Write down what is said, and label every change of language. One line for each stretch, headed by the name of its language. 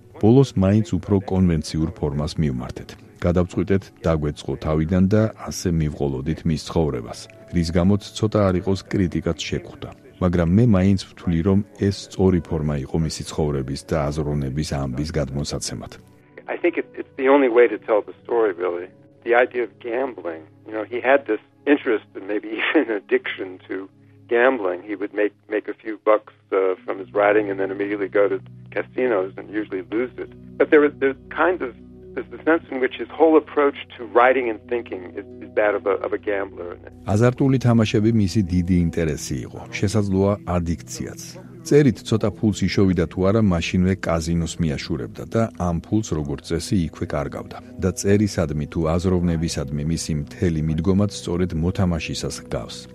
Georgian: ბოლოს მაინც უფრო კონვენციურ ფორმას მიმართეთ. გადავწყვიტეთ დაგვეწყო თავიდან და ასე მივყოლოდით მის ცხოვრებას, რის გამოც ცოტა არ იყოს კრიტიკაც შეგხვდა. მაგრამ მე მაინც ვთვლი, რომ ეს სწორი ფორმა იყო მისი ცხოვრების და აზროვნების ამბის გადმოსაცემად.
English: I think it's the only way to tell the story really. The idea of gambling, you know, he had this interest and maybe even addiction to gambling. He would make a few bucks from his writing and then immediately go to casinos and usually lose it. But there's kinds of the sense in which his whole approach to writing and thinking is that of a gambler.
Georgian: აზარტული თამაშები მისი დიდი ინტერესი იყო, შესაძლოა ადიქციაც. წერით ცოტა ფულს იშოვიდა თუ არა, მაშინვე კაზინოს მიაშურებდა და ამ ფულს როგორც წესი იქვე კარგავდა. და წერისადმი თუ აზროვნებისადმი მისი მთელი მიდგომაც სწორედ მოთამაშისას გავს.